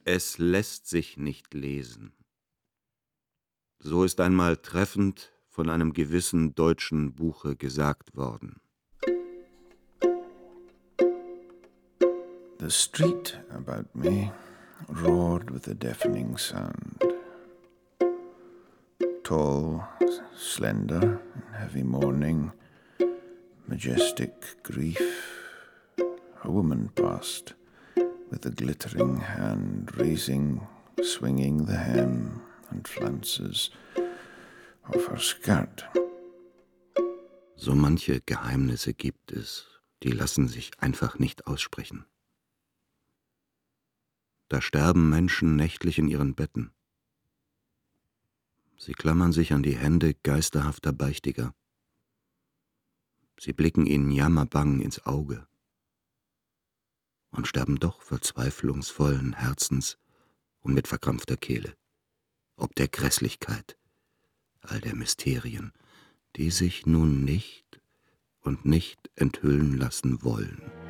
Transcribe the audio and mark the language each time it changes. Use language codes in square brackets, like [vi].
[de] Es lässt sich nicht lesen. So ist einmal treffend von einem gewissen deutschen Buche gesagt worden. [en] The street about me roared with a deafening sound. Tall, slender, in heavy mourning, majestic grief. A woman passed, with a glittering hand, raising, swinging the hem and flounces of her skirt. [de] So manche Geheimnisse gibt es, die lassen sich einfach nicht aussprechen. Da sterben Menschen nächtlich in ihren Betten. Sie klammern sich an die Hände geisterhafter Beichtiger. Sie blicken ihnen jammerbang ins Auge und sterben doch verzweiflungsvollen Herzens und mit verkrampfter Kehle, ob der Grässlichkeit all der Mysterien, die sich nun nicht und nicht enthüllen lassen wollen.